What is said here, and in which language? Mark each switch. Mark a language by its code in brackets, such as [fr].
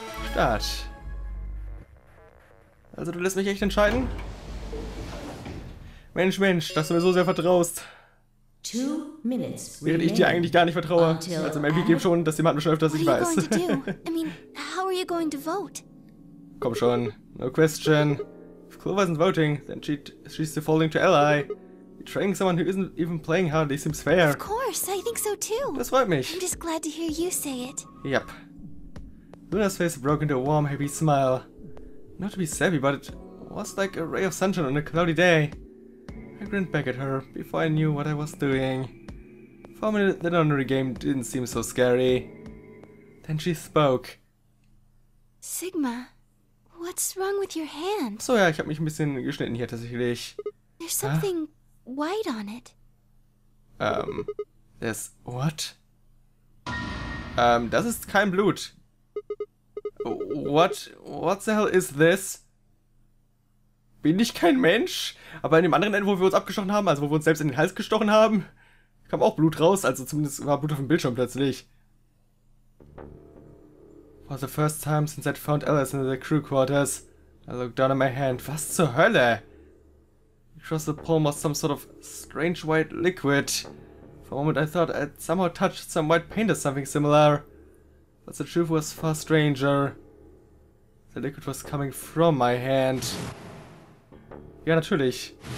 [en] Start. [de] Also, du lässt mich echt entscheiden? Mensch, Mensch, dass du mir so sehr vertraust. [en] 2 minutes. [de] Während ich dir eigentlich gar nicht vertraue. Also, Mighty Bee geben schon, dass jemand mir schon öfters ich weiß. [en] I mean, how are you going to vote? [de] Komm schon, [en] no question. If Clover isn't voting, then she's defaulting to Ally. Betraying someone who isn't even playing hardly seems fair. Of course, I think so too. [de] Das freut mich. [en] I'm just glad to hear you say it. Yep. Luna's face broke into a warm, happy smile. Not to be savvy, but it was like a ray of sunshine on a cloudy day. I grinned back at her before I knew what I was doing. For a minute, the nonary game didn't seem so scary. Then she spoke. Sigma. What's wrong with your hand? [de] So ja, ich habe mich ein bisschen geschnitten hier tatsächlich. [en] There's something white on it. There's what? [de] Das ist kein Blut. [en] What the hell is this? [de] Bin ich kein Mensch? Aber in dem anderen Ende, wo wir uns abgestochen haben, also wo wir uns selbst in den Hals gestochen haben, kam auch Blut raus, also zumindest war Blut auf dem Bildschirm plötzlich. [en] For the first time since I'd found Alice in the crew quarters, I looked down at my hand. [de] Was zur Hölle? [en] Across the palm was some sort of strange white liquid. For a moment I thought I'd somehow touched some white paint or something similar. But the truth was far stranger. The liquid was coming from my hand. [de] Ja, natürlich.